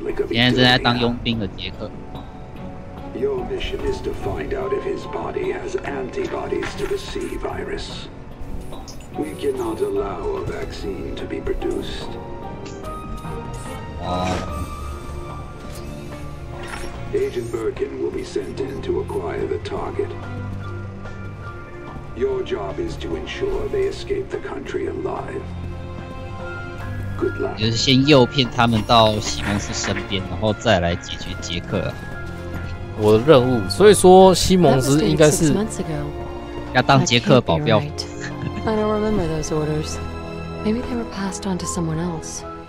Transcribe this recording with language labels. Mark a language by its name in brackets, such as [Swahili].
[Chinese] 现在正在当佣兵的杰克。 [English] Your mission is to find out if his body has antibodies to the C virus. We cannot allow a vaccine to be produced. Agent Birkin will be sent in to acquire the target. Your job is to ensure they escape the country alive. Good luck. [Chinese] 就是先诱骗他们到西蒙斯身边，然后再来解决杰克。我的任务，所以说西蒙斯应该是要当杰克保镖。 [English] I don't remember those orders. Maybe they were passed on to someone else.